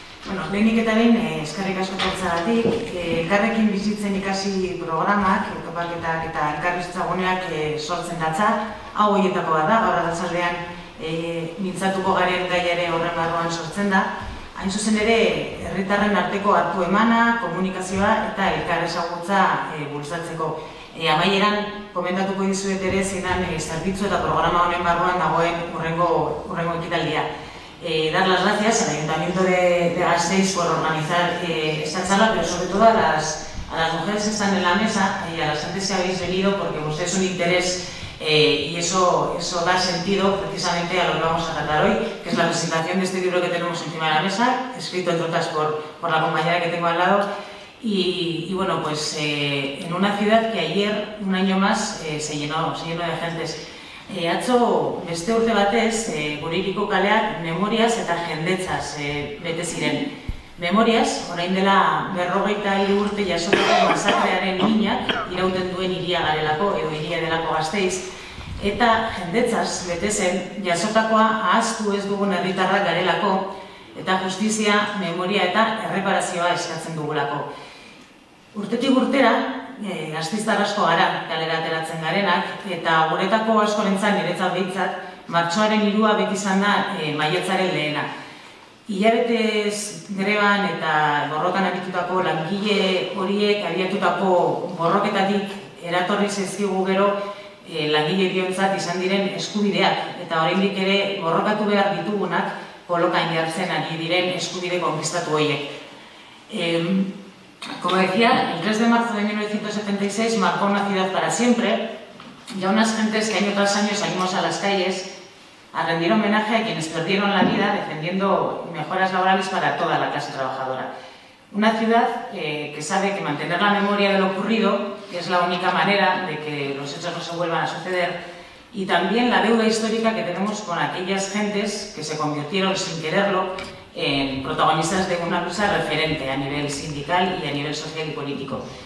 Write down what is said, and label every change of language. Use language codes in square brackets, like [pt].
[eu] Bueno, lehenik eta behin eskarrik asko jartzeagatik, elkarrekin bizitzen ikasi programak, topaketak eta elkarrizitza guneak sortzen datza, hau horietako bat da, gaur arratsaldean mintzatuko garen gaiare horren barruan sortzen da. Hain zuzen ere, herritarren arteko hartu emana, komunikazioa eta elkar ezagutza bultzatzeko. Amaieran, komentatuko dizuet ere zeinan zerbitzu eta programa honen barruan dagoen urrengo ekitaldia. [es] Dar las gracias al Ayuntamiento de Gasteiz por organizar esta charla, pero sobre todo a las mujeres que están en la mesa y a las antes que habéis venido, porque vos tenéis un interés y eso da sentido precisamente a lo que vamos a tratar hoy, que es la presentación de este libro que tenemos encima de la mesa, escrito entre otras por la compañera que tengo al lado. Y bueno, pues en una ciudad que ayer, un año más, se llenó de gentes. [eu] Atzo, beste urte batez, guririko kaleak memoriaz eta jendetzaz bete ziren. Memoriaz, orain dela 43 urte jasotako masakrearen minak irauten duen hiria garelako edo hiria delako Gasteiz, eta jendetzaz bete zen jasotakoa ahaztu ez dugun herritarrak garelako, eta justizia, memoria eta erreparazioa eskatzen dugulako. Urtetik urtera, gasteiztar asko gara, kalera ateratzen garenak, eta guretako askorentzat, niretzat behintzat, martxoaren 3a beti izan da maiatzaren lehena. Hilabetez greban eta borrokan aritutako langile horiek abiatutako borroketatik eratorri zaizkigu gero langile biontzat izan diren eskubideak, eta oraindik ere borrokatu behar ditugunak kolokan jartzen ari diren eskubide konkistatu horiek. [es] Como decía, el 3 de marzo de 1976 marcó una ciudad para siempre y a unas gentes que año tras año salimos a las calles a rendir homenaje a quienes perdieron la vida defendiendo mejoras laborales para toda la clase trabajadora. Una ciudad que sabe que mantener la memoria de lo ocurrido es la única manera de que los hechos no se vuelvan a suceder, y también la deuda histórica que tenemos con aquellas gentes que se convirtieron sin quererlo en protagonistas de una lucha referente a nivel sindical y a nivel social y político.